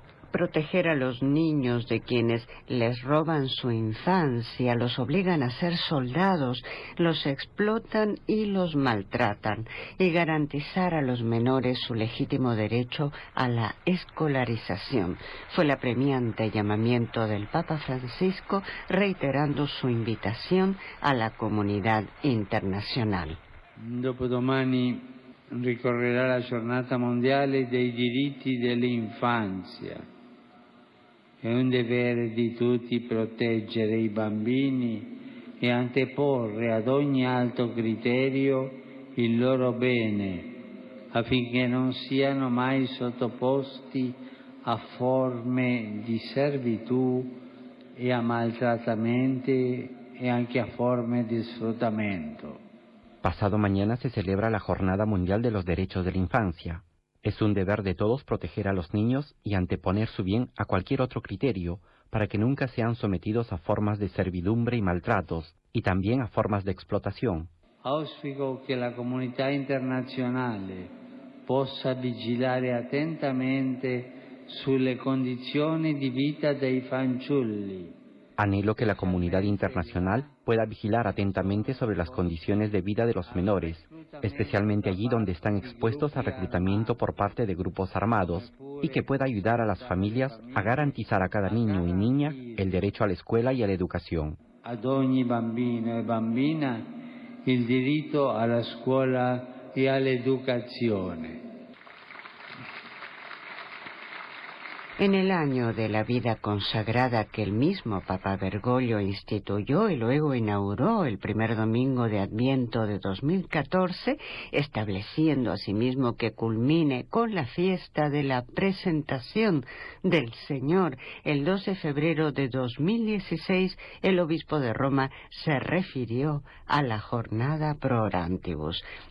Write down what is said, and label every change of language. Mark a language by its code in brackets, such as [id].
[es] Proteger a los niños de quienes les roban su infancia, los obligan a ser soldados, los explotan y los maltratan, y garantizar a los menores su legítimo derecho a la escolarización. Fue el apremiante llamamiento del Papa Francisco, reiterando su invitación a la comunidad internacional. [it] Dopodomani ricorrerà la Giornata Mondiale dei Diritti dell'Infanzia. È un dovere di tutti proteggere i bambini e anteporre ad ogni altro criterio il loro bene, affinché non siano mai sottoposti a forme di servitù e a maltrattamenti e anche a forme di sfruttamento. [es] Pasado mañana se celebra la Jornada Mundial de los Derechos de la Infancia. Es un deber de todos proteger a los niños y anteponer su bien a cualquier otro criterio para que nunca sean sometidos a formas de servidumbre y maltratos, y también a formas de explotación. [it] Auspico que la comunidad internacional possa vigilare attentamente sulle condizioni di vita dei fanciulli. [es] Anhelo que la comunidad internacional pueda vigilar atentamente sobre las condiciones de vida de los menores, especialmente allí donde están expuestos a reclutamiento por parte de grupos armados, y que pueda ayudar a las familias a garantizar a cada niño y niña el derecho a la escuela y a la educación. [it] A ogni bambino e bambina il diritto alla scuola e all'educazione. [es] En el año de la vida consagrada que el mismo Papa Bergoglio instituyó y luego inauguró el primer domingo de Adviento de 2014, estableciendo asimismo que culmine con la fiesta de la presentación del Señor el 12 de febrero de 2016, el obispo de Roma se refirió a la jornada Pro Orantibus,